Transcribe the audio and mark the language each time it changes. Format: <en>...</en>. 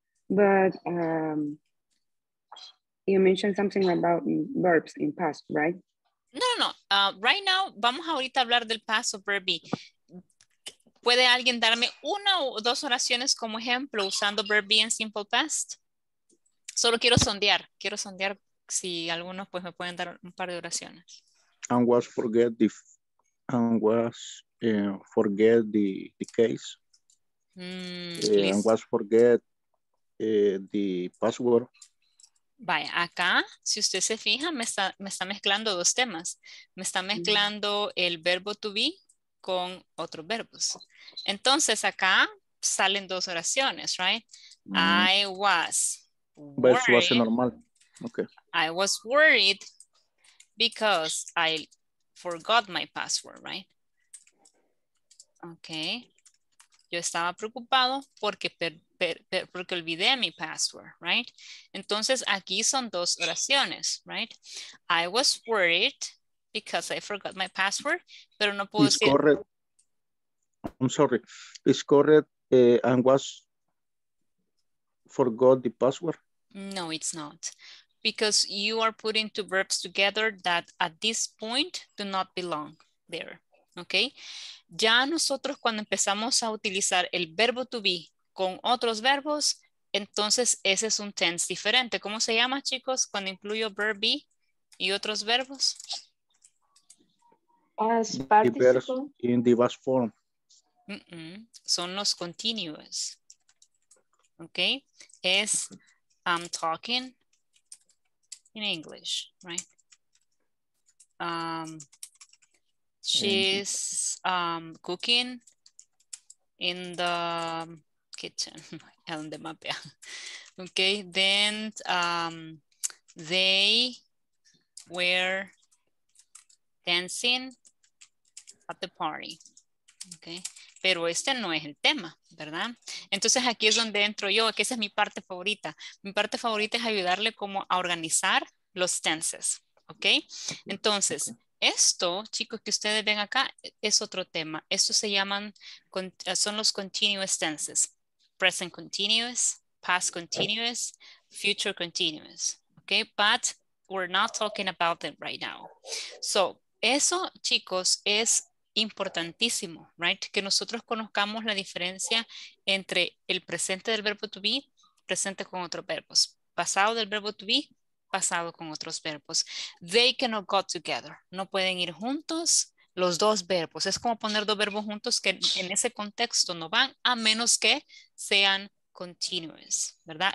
<en>But you mentioned something about verbs in past, right? No. Right now,</en> <es>vamos ahorita a hablar del</es> <en>past of verb be.</en> <es>¿Puede alguien darme una o dos oraciones como ejemplo usando verb be en simple past? Solo quiero sondear. Quiero sondear si algunos pues me pueden dar un par de oraciones.</es> <en>And was forget the case. And was forget the password.</en> <es>Vaya, acá, si usted se fija, me está mezclando dos temas. Me está mezclando el verbo to be con otros verbos. Entonces acá salen dos oraciones, right? Mm-hmm.</es> <en>I was</en> <es>worried. Eso hace normal. Okay.</es> <en>I was worried because I forgot my password, right? Okay.</en> <es>Yo estaba preocupado porque porque olvidé mi password, right? Entonces aquí son dos oraciones, right?</es> <en>I was worried because I forgot my password,</en> <es>pero no puedo decir.</es> <en>Correct. I'm sorry. It's correct. And was forgot the password? No, it's not. Because you are putting two verbs together that at this point do not belong there. Okay.</en> <es>Ya nosotros cuando empezamos a utilizar el verbo to be con otros verbos, entonces ese es un tense diferente. ¿Cómo se llama, chicos, cuando incluyo verb be y otros verbos?</es> <en>As participle. In the past form.</en> <es>Mm-mm. Son los continuous. Okay.</es> <en>Es I'm talking in English, right? She's cooking in the kitchen. Okay, then they were dancing at the party.</en> <es>Okay, pero este no es el tema, ¿verdad? Entonces aquí es donde entro yo, que esa es mi parte favorita. Mi parte favorita es ayudarle como a organizar los tenses. Okay, entonces. Okay. Esto, chicos, que ustedes ven acá, es otro tema. Estos se llaman, son los continuous tenses.</es> <en>Present continuous, past continuous, future continuous. Okay, but we're not talking about them right now.</en> <es>So, eso, chicos, es importantísimo, right? Que nosotros conozcamos la diferencia entre el presente del verbo to be, presente con otros verbos. Pasado del verbo to be, pasado con otros verbos.</es> <en>They cannot go together.</en> <es>No pueden ir juntos los dos verbos. Es como poner dos verbos juntos que en ese contexto no van a menos que sean continuous, ¿verdad?</es>